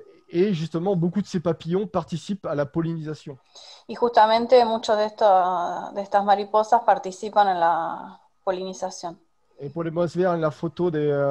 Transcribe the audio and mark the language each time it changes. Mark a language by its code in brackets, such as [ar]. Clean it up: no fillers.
[fr] Et justement, beaucoup de ces papillons participent à la pollinisation. [es] Y justamente muchos de estas mariposas participan en la polinización. [fr] Et pour les mots verts, la photo des